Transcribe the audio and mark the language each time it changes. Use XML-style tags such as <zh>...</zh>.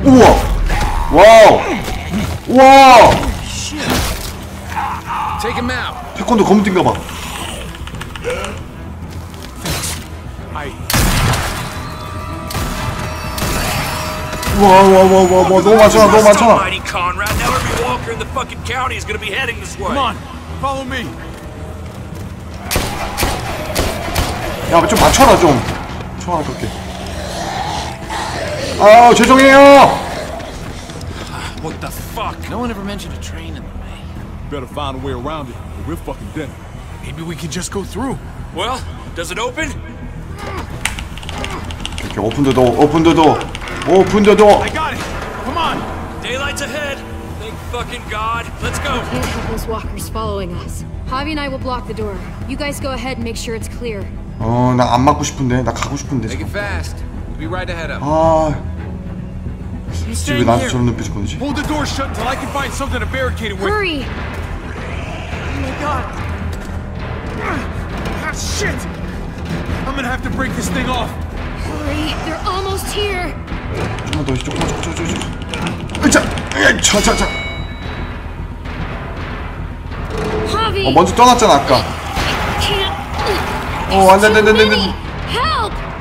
<ko>우와. 와우. 우와.</ko> <en>Take him out.</en> <ko>태권도 검은띠인가 봐.</ko> <en>Thanks. I.</en> <ko>와, 와, 와, 와, 너무 많잖아, 너무 많잖아.</ko> <en>Mighty Conrad, now every walker in the fucking county is gonna be heading this way. Come on, follow me.</en> <ko>야, 좀 맞춰라 좀. 청아 그렇게. 아, 죄송해요.</ko> <en>What the fuck? No one ever mentioned a train in. Better find a way around it, or we're fucking dead. Maybe we can just go through. Well, does it open? Okay, open the door, open the door, open the door. I got it. Come on. Daylight's ahead. Thank fucking God. Let's go. We can't have those walkers following us. Javi and I will block the door. You guys go ahead and make sure it's clear.</en> <ko>어, 나 안 막고 싶은데, 나 가고 싶은데.</ko> <en>Make it fast. We'll be right ahead of.</en> <ko>아. 지금 나한테 저런 눈빛 보내지.</ko> <en>Hold the door shut until I can find something to barricade it with. Hurry! Oh my god! Ah, shit! I'm gonna have to break this thing off. Hurry! They're almost here.</en> <ko>조금만 더, 조금만 더, 조금만 더, 조금만 더. 자, 자, 자.</ko> <en>Javi.</en> <ko>어 먼저 떠났잖아 아까.</ko> <en>Can't.</en> <ko>어 안 돼, 안 돼, 안 돼, 안 돼.</ko> <en>Help!</en>